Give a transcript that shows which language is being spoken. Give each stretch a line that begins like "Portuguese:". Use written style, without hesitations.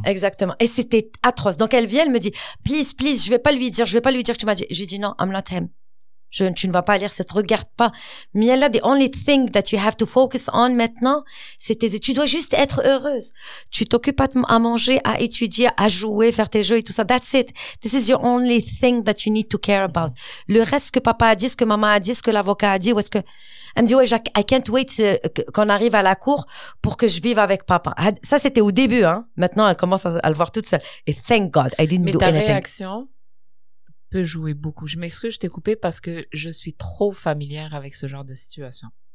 French: Exactement. Et c'était atroce. Donc elle vient, elle me dit, please, please, je vais pas lui dire, je vais pas lui dire que tu m'as dit. Je lui dis non, I'm not him. Tu ne vas pas lire, ça te regarde pas. Miella, the only thing that you have to focus on maintenant, c'est tes études. Tu dois juste être heureuse. Tu t'occupes à manger, à étudier, à jouer, faire tes jeux et tout ça.
English: That's it. This is your only thing that you need to care about.
French: Le reste, ce que papa a dit, ce que maman a dit, ce que l'avocat a dit, ou est-ce que... Elle me dit, ouais, I can't wait qu'on arrive à la cour pour que je vive avec papa. Ça, c'était au début, hein. Maintenant, elle commence à le voir toute seule.
English: Et thank God, I didn't
French: Mais
English: do anything.
French: Mais ta réaction... peut jouer beaucoup. Je m'excuse, je t'ai coupé parce que je suis trop familière avec ce genre de situation.